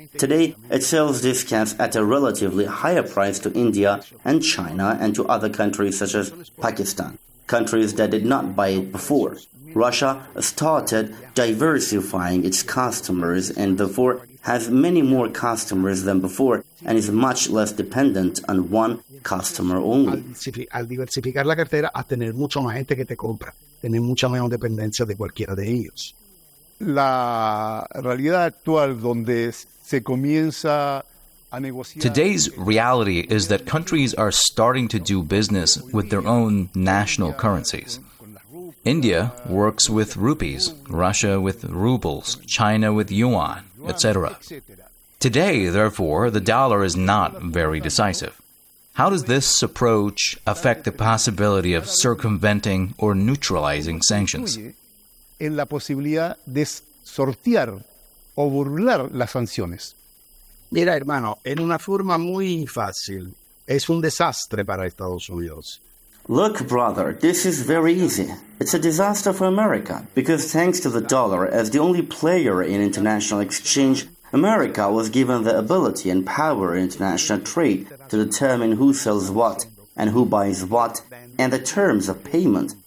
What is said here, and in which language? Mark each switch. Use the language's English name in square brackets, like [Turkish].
[English] Today, it sells this gas at a relatively higher price to India and China and to other countries such as Pakistan, countries that did not buy it before. Russia started diversifying its customers and therefore has many more customers than before and is much less dependent on one customer only. [Spanish] Al diversificar la cartera, a tener mucho más gente que te compra, tener mucha menos dependencia de cualquiera de ellos. La realidad actual donde se comienza a negociar. [English] Today's reality is that countries are starting to do business with their own national currencies. India works with rupees, Russia with rubles, China with yuan, etc. Today, therefore, the dollar is not very decisive. How does this approach affect the possibility of circumventing or neutralizing sanctions? [Spanish] En la posibilidad de sortear o burlar las sanciones. Mira, hermano, en una forma muy fácil, es un desastre para Estados Unidos. [English] Look, brother, this is very easy. It's a disaster for America, because thanks to the dollar, as the only player in international exchange, America was given the ability and power in international trade to determine who sells what and who buys what and the terms of payment.